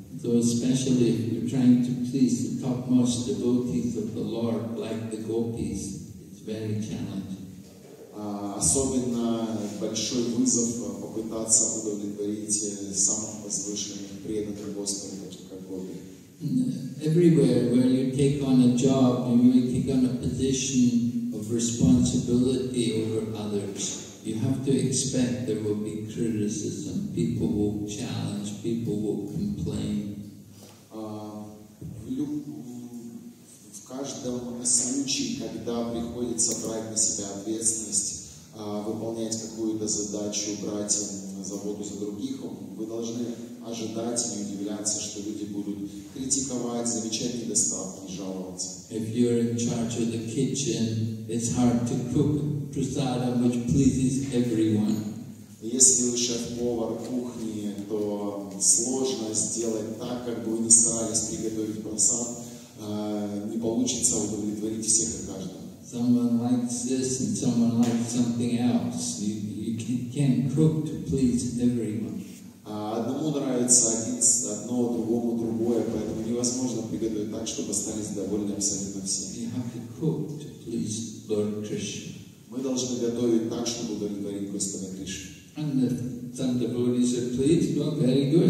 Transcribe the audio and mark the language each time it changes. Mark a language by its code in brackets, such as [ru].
[en] So especially if you're trying to please the topmost devotees of the Lord, like the gopis, it's very challenging. [ru] Особенно большой вызов попытаться удовлетворить самых возвышенных преданных Господа, таких как Боги. [en] Everywhere where you take on a job, you may take on a position of responsibility over others. You have to expect there will be criticism. People will challenge, people will complain. [ru] В каждом случае, когда приходится брать на себя ответственность, выполнять какую-то задачу, брать заботу за других, вы должны ожидать и не удивляться, что люди будут критиковать, замечать недостатки, жаловаться. [en] If you're in charge of the kitchen, it's hard to cook prasadam, which pleases everyone. [ru] Если вы шеф-повар кухни, то сложно сделать так, как бы вы не старались приготовить прасад, не получится удовлетворить всех и каждого. [en] Someone likes this and someone likes something else. You can cook to please everyone. [ru] Одному нравится одно, другому другое, поэтому невозможно приготовить так, чтобы остались довольны абсолютно все. [en] You have to cook to please Lord Krishna. [ru] Мы должны готовить так, чтобы удовлетворить Господа Кришну. [en] And if some devotees are pleased, well, very good.